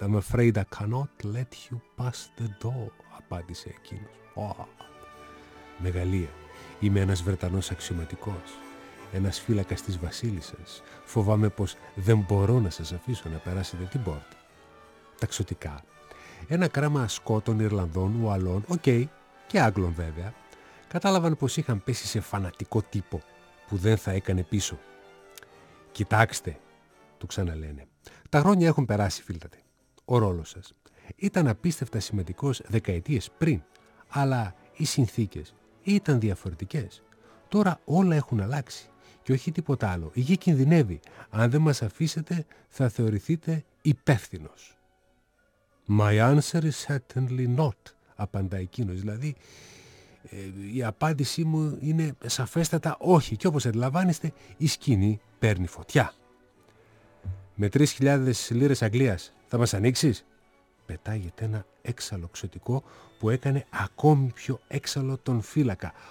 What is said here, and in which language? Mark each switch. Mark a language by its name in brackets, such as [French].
[English] I'm afraid I cannot let you pass the door», απάντησε εκείνος. [Greek] «Μεγαλεία, είμαι ένας Βρετανός αξιωματικός, ένας φύλακας της Βασίλισσας. Φοβάμαι πως δεν μπορώ να σας αφήσω να περάσετε την πόρτα». «Τα ξωτικά, ένα κράμα Σκότων, Ιρλανδών, Ουαλών, okay, και Άγγλων βέβαια, κατάλαβαν πως είχαν πέσει σε φανατικό τύπο που δεν θα έκανε πίσω. «Κοιτάξτε», του ξαναλένε, «τα χρόνια έχουν περάσει, φίλτατε. Ο ρόλος σας ήταν απίστευτα σημαντικός δεκαετίες πριν, αλλά οι συνθήκες ήταν διαφορετικές. Τώρα όλα έχουν αλλάξει και όχι τίποτα άλλο. Η γη κινδυνεύει. Αν δεν μας αφήσετε, θα θεωρηθείτε υπεύθυνος». [English] «My answer is certainly not», απαντά εκείνος. [Greek] Δηλαδή, η απάντησή μου είναι σαφέστατα όχι. Και όπως αντιλαμβάνεστε, η σκηνή παίρνει φωτιά. «Με 3.000 λίρες Αγγλίας θα μας ανοίξεις?» Πετάγεται ένα έξαλλο ξωτικό που έκανε ακόμη πιο έξαλλο τον φύλακα.